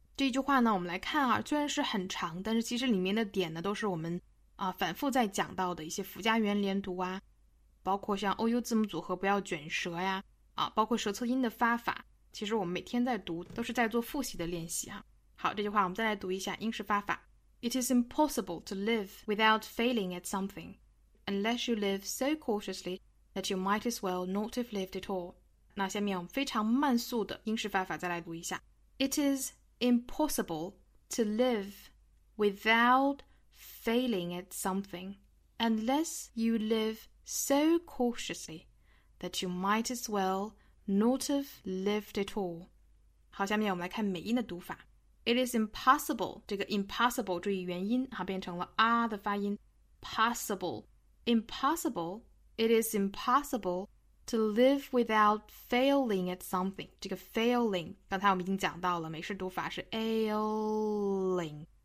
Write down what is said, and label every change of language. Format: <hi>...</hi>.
<zh>这句话呢，我们来看啊，虽然是很长，但是其实里面的点呢，都是我们反复在讲到的一些辅加元连读啊，包括像 OU 字母组合不要卷舌呀，包括舌侧音的发法，其实我们每天在读，都是在做复习的练习哈。好，这句话我们再来读一下英式发法：</zh> <en>It is impossible to live without failing at something, unless you live so cautiously that you might as well not have lived at all。</en> <zh>那下面我们非常慢速的英式发法再来读一下：</zh> <en>It is impossible to live without failing at something, unless you live so cautiously that you might as well not have lived at all。</en> <zh>好，下面我们来看美音的读法。</zh> <en>It is impossible。</en> <zh>这个 impossible 注意元音，哈，变成了 r 的发音。</zh> <en>Possible, impossible。 It is impossible to live without failing at something。</en> <zh>这个 failing，刚才我们已经讲到了，美式读法是 ailing。</zh>